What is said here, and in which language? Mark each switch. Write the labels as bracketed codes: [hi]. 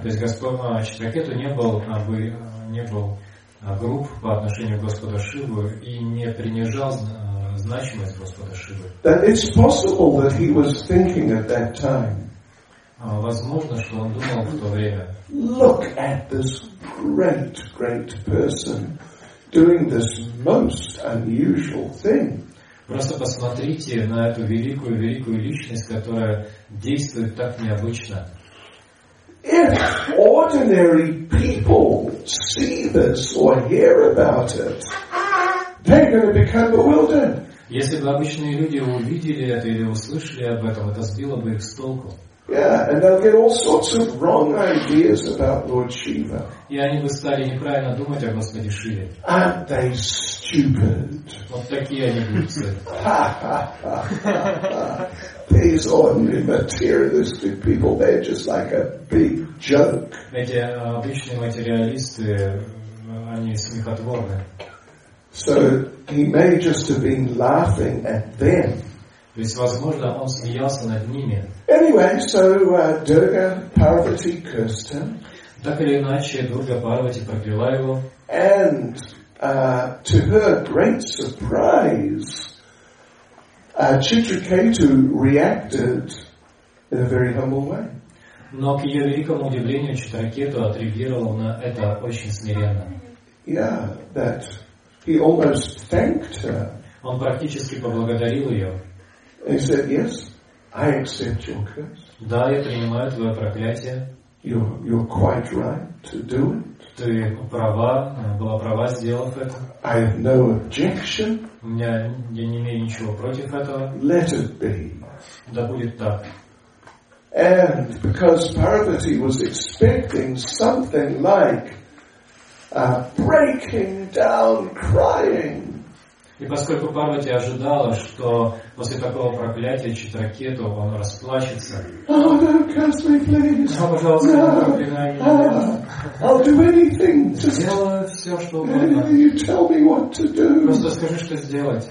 [ru] То есть, Господь Читракету не был групп по отношению к Господу Шиву и не принижал значимость Господа Шивы. [en] That it's possible that he was thinking at that time. [ru] Возможно, что он думал в то время. [en] Look at this great person doing this most unusual thing. [ru] Просто посмотрите на эту великую личность, которая действует так необычно. [en] If ordinary people see this or hear about it, they're going to become bewildered. [ru] Если бы обычные люди увидели это или услышали об этом, это сбило бы их с толку. [en] Yeah, and they'll get all sorts of wrong ideas about Lord Shiva. [ru] И они бы стали неправильно думать о Господе Шиве. [en] Aren't they stupid? [ru] Вот такие они глупцы. [en] These ordinary materialistic people, they're just like a big joke. [ru] Эти обычные материалисты, они смехотворны. [en] So he may just have been laughing at them. [ru] То есть, возможно, он смеялся над ними. [en] Anyway, so Durga Parvati cursed him. [ru] Так или иначе, Дурга Парвати прокляла его. [en] And to her great surprise, Chitraketu reacted in a very humble way. [ru] Но к ее великому удивлению, Читракету отреагировал на это очень смиренно. [en] Yeah, that he almost thanked her. [ru] Он практически поблагодарил ее. [en] He said, "Yes, I accept your curse." [ru] Да, я принимаю твое проклятие. [en] You're quite right to do it. [ru] Ты права, была права, сделав это. [en] I have no objection. [ru] У меня я не имею ничего против этого. [en] Let it be. [ru] Да будет так. [en] And because Parvati was expecting something like breaking down, crying. [ru] И поскольку Парвати ожидала, что после такого проклятия Читракету он расплачется. [en] Oh, don't curse me, please. [ru] Oh, пожалуйста, [en] no. I'll do anything. [ru] Сделаю все, что угодно. [en] You tell me what to do. [ru] Просто скажи, что сделать.